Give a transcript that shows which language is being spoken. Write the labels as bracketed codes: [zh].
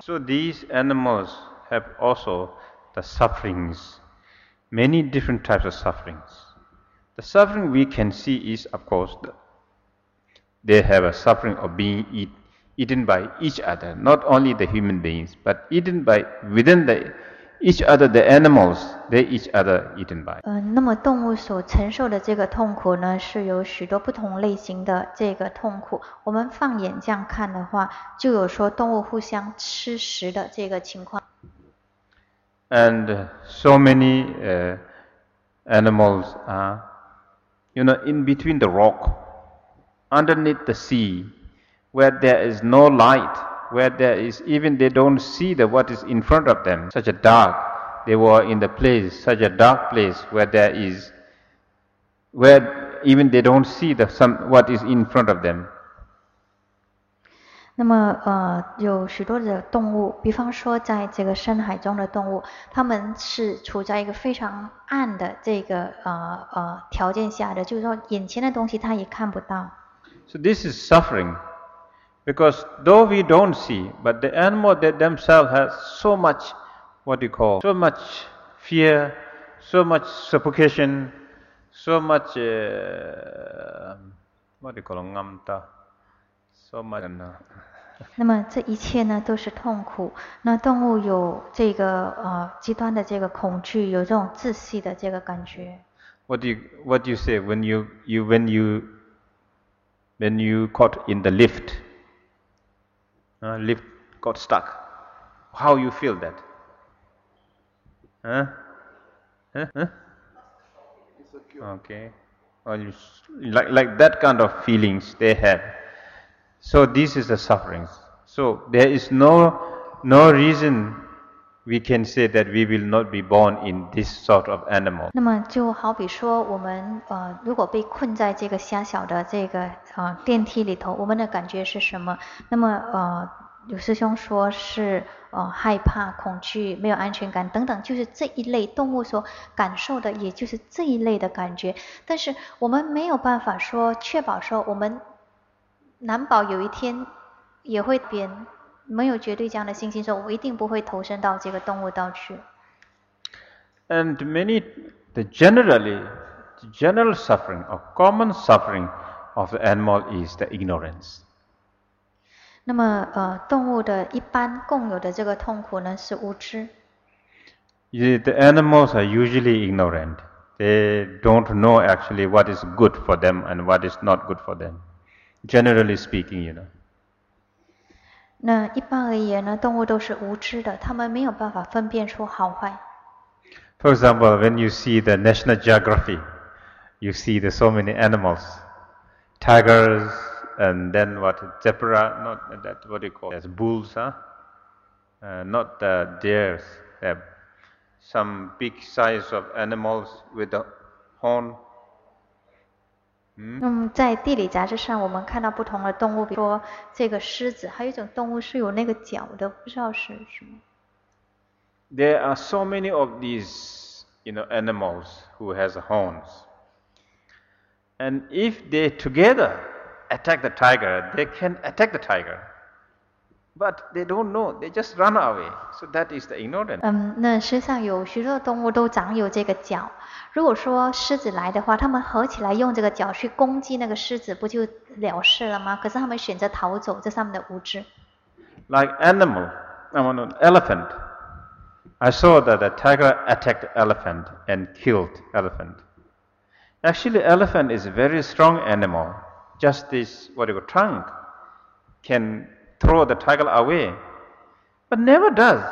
[en] So these animals have also the sufferings, many different types of sufferings. The suffering we can see is, of course, They have a suffering of being eaten by each other, not only the human beings, but eaten by within the each other the animals they each other eaten by. [zh] 那么动物所承受的这个痛苦呢，是有许多不同类型的这个痛苦。我们放眼这样看的话，就有说动物互相吃食的这个情况。 [en] And so many animals are, in between the rock. Underneath the sea, where there is no light, where there is even they don't see the what is in front of them, such a dark, they were in the place, such a dark place where there is, where even they don't see the some what is in front of them. [zh] 那么有许多的动物，比方说在这个深海中的动物，它们是处在一个非常暗的这个条件下的，就是说眼前的东西它也看不到。 [en] So this is suffering, because though we don't see, but the animal that themselves has so much, so much fear, so much suffocation, so much, so much. [zh] 那么这一切呢都是痛苦。那动物有这个极端的这个恐惧，有这种窒息的这个感觉。 [en] What do you say when you caught in the lift? Lift got stuck. How you feel that? Okay. Well, like that kind of feelings they have. So this is the sufferings. So there is no reason we can say that we will not be born in this sort of animal. [zh] 那么就好比说我们如果被困在这个狭小的这个电梯里头，我们的感觉是什么？那么有师兄说是害怕、恐惧、没有安全感等等，就是这一类动物所感受的，也就是这一类的感觉。但是我们没有办法说确保说我们难保有一天也会变，没有绝对这样的信心，说我一定不会投身到这个动物道去。 [en] And many the general suffering or common suffering of the animal is the ignorance. [zh] 那么动物的一般共有的这个痛苦呢是无知。 [en] The animals are usually ignorant. They don't know actually what is good for them and what is not good for them. Generally speaking, you know. [zh] 那一般而言呢，动物都是无知的，他们没有办法分辨出好坏。 [en] For example, when you see the National Geography, you see the so many animals, tigers,And then what, zebra, not that, what do you call it? There's bulls, huh? Not the deers. They have some big size of animals with a horn. [zh] 在地理杂志上我们看到不同的动物，比如说这个狮子，还有一种动物是有那个角的，不知道是什么。 [en] There are so many of these, you know, animals who has horns. And if they together,attack the tiger, they can attack the tiger. But they don't know, they just run away. So that is the ignorance. [zh] 那实际上有许多动物都长有这个角。如果说狮子来的话，他们合起来用这个角去攻击那个狮子，不就了事了吗？可是他们选择逃走，这是他们的无知。 [en] Like animal, elephant. I saw that the tiger attacked elephant and killed elephant. Actually, elephant is a very strong animal. Just this, what you call trunk, can throw the tiger away, but never does.